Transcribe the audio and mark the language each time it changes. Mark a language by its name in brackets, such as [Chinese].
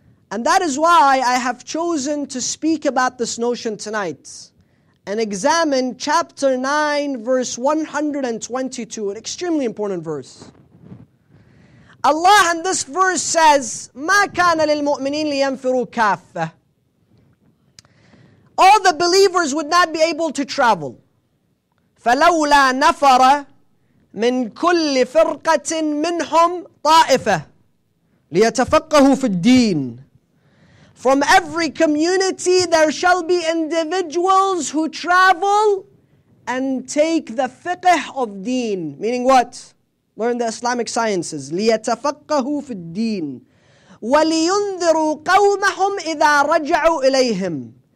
[English] And that is why I have chosen to speak about this notion tonight and examine chapter 9, verse 122, an extremely important verse. Allah in this verse says, [Arabic] مَا كَانَ لِلْمُؤْمِنِينَ لِيَنْفِرُوا كَافَّةً. [English] All the believers would not be able to travel. [Arabic] فلولا نفر من كل فرقة منهم طائفة لِيَتَفَقَّهُ فِي الدِّينِ. [English] From every community there shall be individuals who travel and take the fiqh of deen. Meaning what? Learn the Islamic sciences. [Arabic] لِيَتَفَقَّهُ فِي الدِّينِ. وَلِيُنذِرُوا قَوْمَهُمْ إِذَا رَجَعُوا إِلَيْهِمْ.